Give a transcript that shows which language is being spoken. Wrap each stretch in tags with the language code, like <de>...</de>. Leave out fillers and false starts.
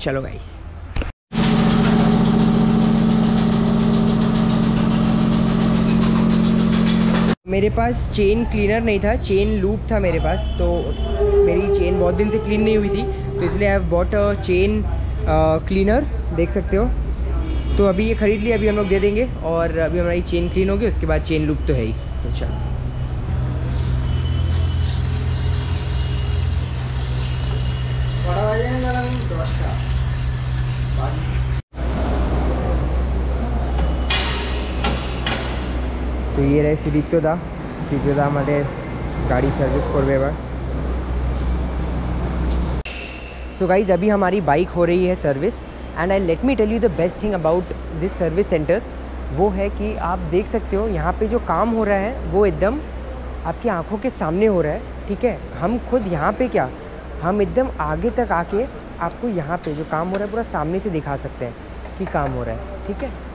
<hi>चलो गाइज, मेरे पास chain cleaner नहीं था, चेन लूप था मेरे पास, तो मेरी चेन बहुत दिन से क्लीन नहीं हुई थी, तो इसलिए</hi> <en>I have bought a chain cleaner,</en> <hi>देख सकते हो। तो अभी ये खरीद लिया, अभी हम लोग दे देंगे और अभी हमारी चेन क्लीन होगी, उसके बाद चेन लूप तो है ही। तो चल तो ये रहे</hi> <bn>সিদ্ধার্থদা, সিদ্ধার্থদা আমাদের গাড়ি সার্ভিস করবে এবার।</bn> <hi>সো গাইজ अभी हमारी बाइक हो रही है service</hi> <en>and I let me tell you the best thing about this service centre,</en> <hi>वो है कि आप देख सकते हो यहाँ पे जो काम हो रहा है वो एकदम आपकी आँखों के सामने हो रहा है, ठीक है। हम खुद यहाँ पे क्या, हम एकदम आगे तक आके आपको यहाँ पे जो काम हो रहा है पूरा सामने से दिखा सकते हैं कि काम हो रहा है, ठीक है।</hi>